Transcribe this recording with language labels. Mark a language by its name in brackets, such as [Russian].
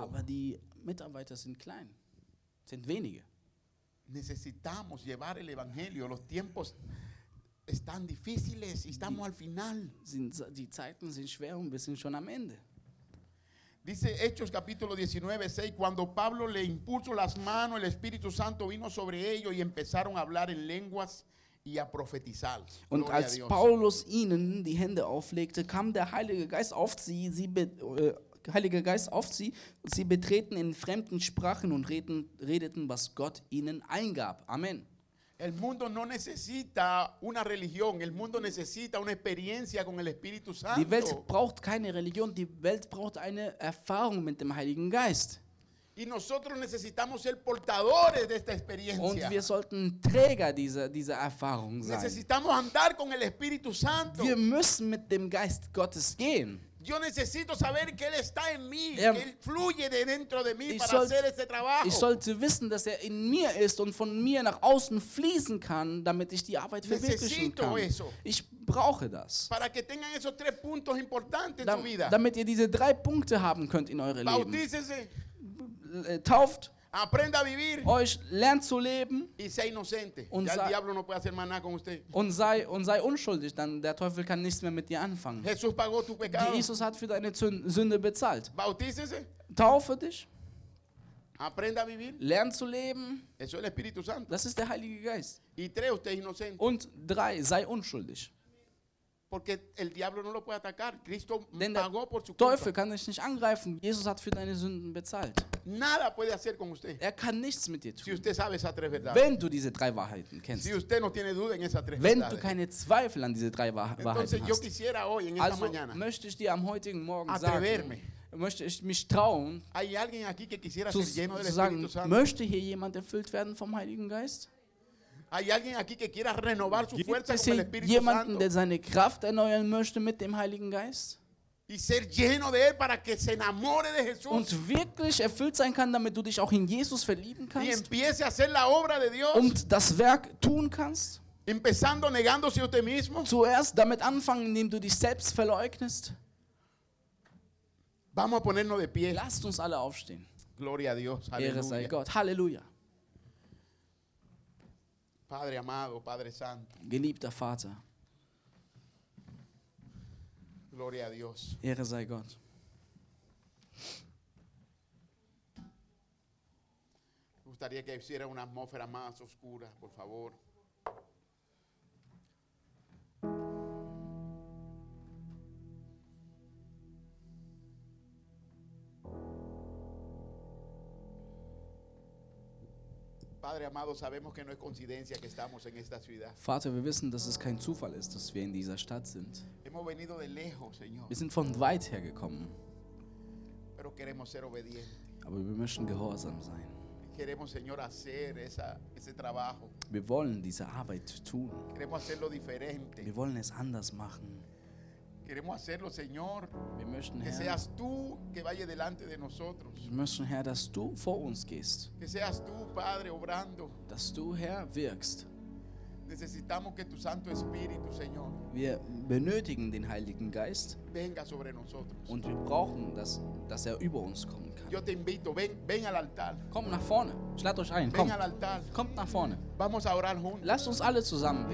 [German] Aber die Mitarbeiter sind klein. Sind wenige. [Spanish] Necesitamos llevar el evangelio. Los tiempos están difíciles. Estamos al final. [German] Die Zeiten sind schwer und wir sind schon am Ende. [Spanish] Dice Hechos capítulo 19, 6, cuando Pablo le impuso las manos, el Espíritu Santo vino sobre ellos y empezaron a hablar en lenguas y a profetizar. [German] Und als Paulus ihnen die Hände auflegte, kam der Heilige Geist auf sie, sie betreten in fremden Sprachen und redeten, was Gott ihnen eingab. Amen. [Spanish] El mundo no necesita una religión, el mundo necesita una experiencia con el Espíritu Santo. [German] Die Welt braucht keine Religion, die Welt braucht eine Erfahrung mit dem Heiligen Geist. [Spanish] Y nosotros necesitamos ser portadores de esta experiencia. [German] Und wir sollten Träger dieser Erfahrung sein. [Spanish] Necesitamos andar con el Espíritu Santo. [German] Wir müssen mit dem Geist Gottes gehen. [Spanish] Yo necesito saber que él está en mí, que él fluye de dentro de mí para hacer este trabajo. [German] Ich sollte wissen, dass er in mir ist und von mir nach außen fließen kann, damit ich die Arbeit verwirklichen kann. [Spanish] Necesito eso. [German] Ich brauche das. [Spanish] Para que tengan esos tres puntos importantes en su vida. [German] Damit ihr diese drei Punkte haben könnt in eure Leben. [Spanish] Bautícese. [German] Tauft. [Spanish] Aprenda a vivir. [German] Euch lernt zu leben. [Spanish] Y sea inocente. Ya el diablo no puede hacer más nada con usted. [German] Und sei unschuldig, dann der Teufel kann nichts mehr mit dir anfangen. [Spanish] Jesús pagó tu pecado. [German] Jesus hat für deine Sünde bezahlt. [Spanish] Bautícese. [German] Taufe dich. [Spanish] Aprenda a vivir. [German] Lernt zu leben. [Spanish] Eso es el Espíritu Santo. [German] Das ist der Heilige Geist. [Spanish] Y tres, usted es inocente. [German] Und drei, sei unschuldig. [Spanish] Porque el diablo no lo puede atacar. Cristo [German] Denn [Spanish] pagó [German] der [Spanish] por su [German] Teufel kann dich nicht angreifen. Jesus hat für deine Sünden bezahlt. [Spanish] Nada puede hacer con usted. [German] Er kann nichts mit dir tun. [Spanish] Si usted sabe esas tres verdades. [German] Wenn du diese drei Wahrheiten kennst. [Spanish] Si usted no tiene duda en esas tres [German] Wenn [Spanish] verdades. [German] Du keine Zweifel an diese drei Wahrheiten [Spanish] Entonces, [German] hast. [Spanish] Yo quisiera hoy, en [German] also [Spanish] esta mañana, [German] möchte ich dir am heutigen Morgen [Spanish] atreverme. [German] Sagen, möchte ich mich trauen, [Spanish] ¿Hay alguien aquí que quisiera ser lleno del [German] zu sagen, möchte hier jemand erfüllt werden vom Heiligen Geist? [Spanish] Hay alguien aquí que quiera renovar su fuerza con el Espíritu [German] jemanden, [Spanish] Santo. [German] Der seine Kraft erneuern möchte mit dem Heiligen Geist? [Spanish] Y ser lleno de él para que se enamore de Jesús. [German] Und wirklich erfüllt sein kann, damit du dich auch in Jesus verlieben kannst. [Spanish] Y empiece a hacer la obra de Dios. [German] Und das Werk tun kannst. [Spanish] Empezando negándose a ti mismo. [German] Zuerst damit anfangen, indem du dich selbst verleugnest. [Spanish] Vamos a ponernos de pie. [German] Lasst uns alle aufstehen. [Spanish] Gloria a Dios. Halleluja. [German] Ehre sei Gott. Halleluja. [Spanish] Padre amado, Padre santo. [German] Geliebter Vater. [Spanish] Gloria a Dios. [German] Ehre sei Gott. [Spanish] Me gustaría que hiciera una atmósfera más oscura, por favor. Padre amado, sabemos que no es coincidencia que estamos en esta ciudad. [German] Vater, wir wissen, dass es kein Zufall ist, dass wir in dieser Stadt sind. [Spanish] Hemos venido de lejos, Señor. [German] Wir sind von weit her gekommen. [Spanish] Pero queremos ser obedientes. [German] Aber wir möchten gehorsam sein. [Spanish] Queremos, Señor, hacer ese trabajo. [German] Wir wollen diese Arbeit tun. [Spanish] Queremos hacerlo diferente. [German] Wir wollen es anders machen. [Spanish] Queremos hacerlo, Señor. [German] Wir möchten, [Spanish] que [German] Herr, [Spanish] seas tú que vaya delante de nosotros. [German] Wir möchten, Herr, dass du vor uns gehst. [Spanish] Que seas tú, Padre, obrando. [German] Dass du, Herr, wirkst. [Spanish] Necesitamos que tu Santo Espíritu, Señor. [German] Wir benötigen den Heiligen Geist. [Spanish] Venga sobre nosotros. [German] Und wir brauchen, dass er über uns kommen kann. [Spanish] Yo te invito, ven al altar. [German] Komm nach vorne. Schlatt euch ein. [Spanish] Ven al altar. [German] Kommt nach vorne. [Spanish] Vamos a orar juntos. [German] Lasst uns alle zusammen beten.